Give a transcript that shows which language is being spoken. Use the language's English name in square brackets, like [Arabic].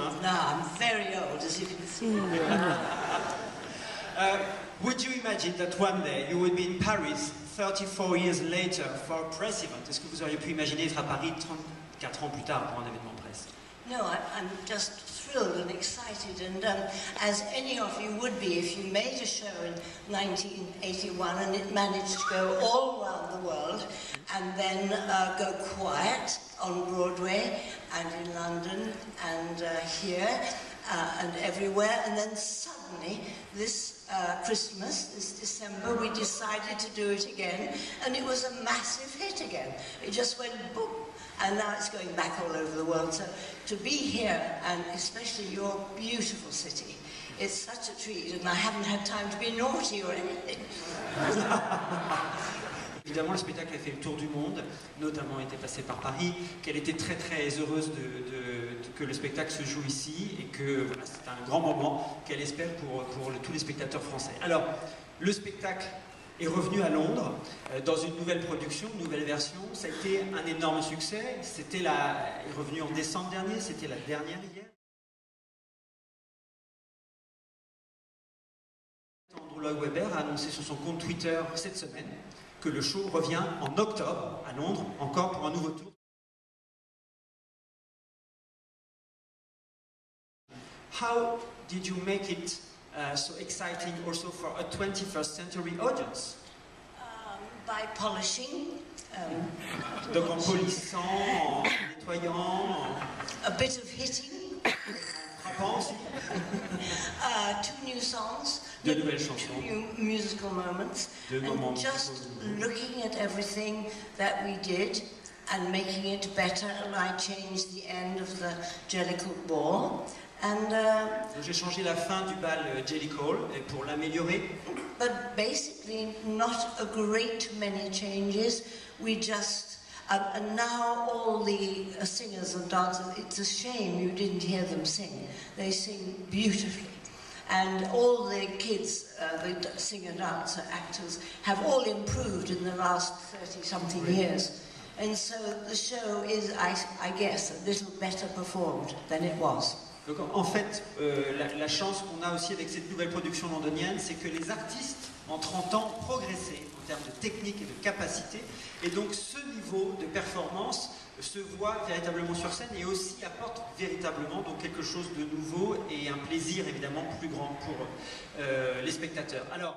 [English] Old. No, I'm very old, as you can see. Would you imagine that one day you would be in Paris 34 years later for a press event? [French] Est-ce que vous auriez pu imaginer être à Paris 34 ans plus tard pour un événement presse? [English] No, I'm just thrilled and excited, and as any of you would be if you made a show in 1981 and it managed to go all around the world and then go quiet on Broadway and in London and here and everywhere, and then suddenly this Christmas, this December, we decided to do it again, and it was a massive hit again. It just went boom, and now it's going back all over the world. So to be here, and especially your beautiful city, it's such a treat, and I haven't had time to be naughty or anything. [French] Évidemment, le spectacle a fait le tour du monde, notamment était passé par Paris, qu'elle était très très heureuse de que le spectacle se joue ici et que voilà, c'est un grand moment qu'elle espère pour le, tous les spectateurs français. Alors, le spectacle est revenu à Londres dans une nouvelle production, une nouvelle version. Ça a été un énorme succès. C'était la, est revenu en décembre dernier, c'était la dernière hier. Andrew Lloyd Webber a annoncé sur son compte Twitter cette semaine que le show revient en octobre à Londres, encore pour un nouveau tour. [English] How did you make it so exciting also for a 21st century audience? By polishing. [French] Donc en polissant, en nettoyant. [English] A bit of hitting. [French] Frappant aussi. [English] Two new songs. [French] De nouvelles chansons. [English] New musical moments. [French] De moments. [English] And just looking at everything that we did and making it better, and I changed the end of the Jellicle ball. And [French] j'ai changé la fin du bal Jellicle pour l'améliorer. [English] But basically not a great many changes. We just and now all the singers and dancers, it's a shame you didn't hear them sing. They sing beautifully. And all the kids, the singer, dancer, actors, have all improved in the last 30-something years. And so the show is, I guess, a little better performed than it was. [French] Donc en fait, la chance qu'on a aussi avec cette nouvelle production londonienne, c'est que les artistes, en 30 ans, ont progressé en termes de technique et de capacité. Et donc ce niveau de performance se voit véritablement sur scène et aussi apporte véritablement donc quelque chose de nouveau et un plaisir évidemment plus grand pour les spectateurs. Alors